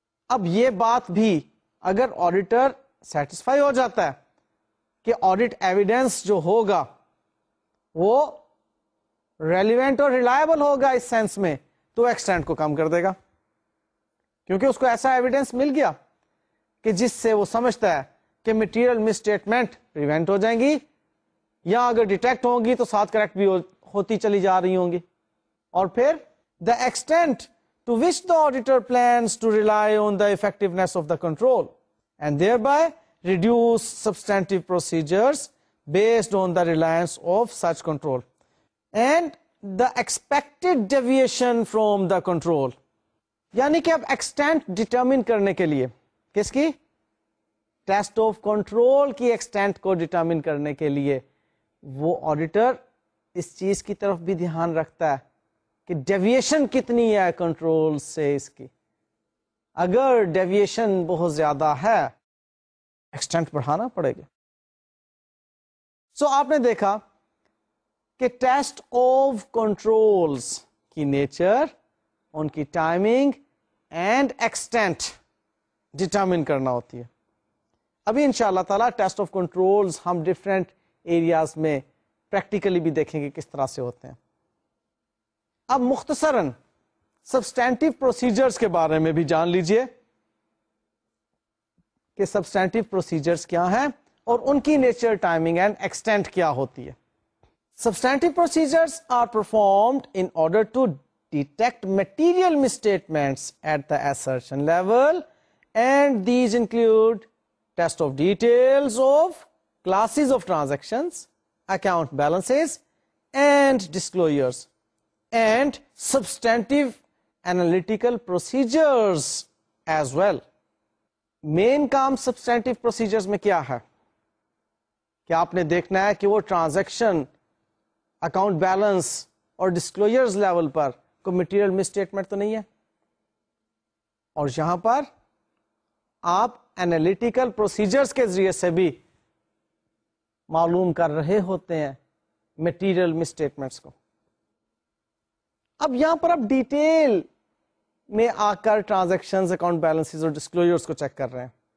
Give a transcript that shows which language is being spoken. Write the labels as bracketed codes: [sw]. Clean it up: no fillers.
[ur] اب یہ بات بھی اگر آڈیٹر سیٹسفائی ہو جاتا ہے کہ آڈٹ ایویڈینس جو ہوگا وہ ریلیونٹ اور ریلائبل ہوگا اس سینس میں, تو ایکسٹینٹ کو کم کر دے گا کیونکہ اس کو ایسا ایویڈینس مل گیا کہ جس سے وہ سمجھتا ہے کہ مٹیریل مس اسٹیٹمنٹ پریونٹ ہو جائیں گی یا اگر ڈیٹیکٹ ہوں گی تو ساتھ کریکٹ بھی ہوتی چلی جا رہی ہوں گی. [en] اور پھر the extent to which the auditor plans to rely on the effectiveness of the control and thereby reduce substantive procedures based on the reliance of such control and the expected deviation from the control. [ur] یعنی کہ اب extent determine کرنے کے لیے کس کی, test of control کی extent کو ڈیٹرمن کرنے کے لیے وہ آڈیٹر اس چیز کی طرف بھی دھیان رکھتا ہے کہ ڈیویشن کتنی ہے کنٹرول سے اس کی. اگر ڈیویشن بہت زیادہ ہے ایکسٹینٹ بڑھانا پڑے گا. سو آپ نے دیکھا کہ ٹیسٹ آف کنٹرولز کی نیچر, ان کی ٹائمنگ اینڈ ایکسٹینٹ ڈیٹرمن کرنا ہوتی ہے. ابھی انشاءاللہ تعالی ٹیسٹ آف کنٹرولز ہم ڈفرینٹ ایریاز میں پریکٹیکلی بھی دیکھیں گے کس طرح سے ہوتے ہیں. اب مختصراً سبسٹینٹیو پروسیجرز کے بارے میں بھی جان لیجئے کہ سبسٹینٹیو پروسیجرز کیا ہیں اور ان کی نیچر, ٹائمنگ اینڈ ایکسٹینٹ کیا ہوتی ہے. [en] Substantive procedures are performed in order to detect material misstatements at the assertion level, and these include test of details of classes of transactions, account balances and disclosures, and substantive analytical procedures as well. [ur] Main kaam substantive procedures mein kya hai, kya aapne dekhna hai ki wo transaction account balance اور disclosures level پر کوئی material مس statement تو نہیں ہے, اور یہاں پر آپ analytical procedures کے ذریعے سے بھی معلوم کر رہے ہوتے ہیں میٹیریل مسٹیٹمنٹس کو. اب یہاں پر آپ ڈیٹیل میں آ کر ٹرانزیکشنز، اکاؤنٹ بیلنسز اور ڈسکلوجرز کو چیک کر رہے ہیں.